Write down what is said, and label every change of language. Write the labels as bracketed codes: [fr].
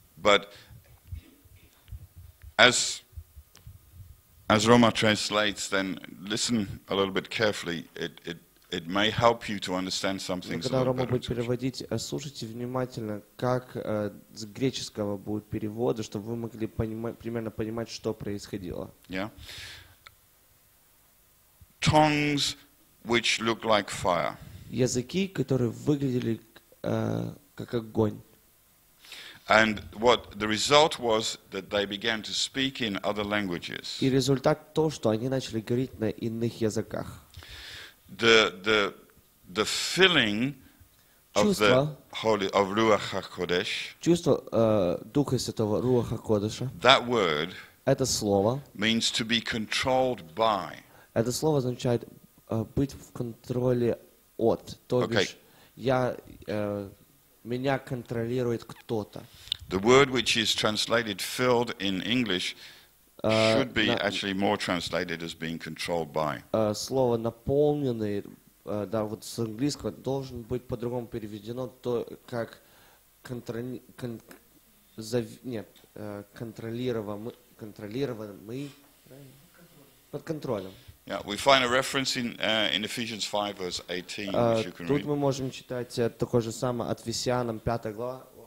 [en] But as Roma translates, then listen a little bit carefully. It may help you to understand some things. [ru] Когда Рома будет переводить, слушайте внимательно, как с греческого будут переводы, чтобы вы могли примерно понимать, что происходило. Yeah. [en] Tongues which look like fire. [ru] Языки, которые выглядели как огонь. [en] And what the result was that they began to speak in other languages. [ru] И результат то, что они начали говорить на иных языках. [en] The filling [ru] Чувство Духа Святого, Руаха Кодеша. [en] That word [ru] это слово [en] means to be controlled by. [ru] Это слово означает быть в контроле от. То есть okay. Меня контролирует кто-то. [en] The word which is translated filled in English should be actually more translated as being controlled by. [ru] Слово наполненный, да, вот с английского должен быть по-другому переведено то, как контролируемый, под контролем. [en] Yeah, we find a reference in Ephesians 5 verse 18, which you can read. [ru] Тут мы можем читать такое же самое от Ефесянам 5 глава.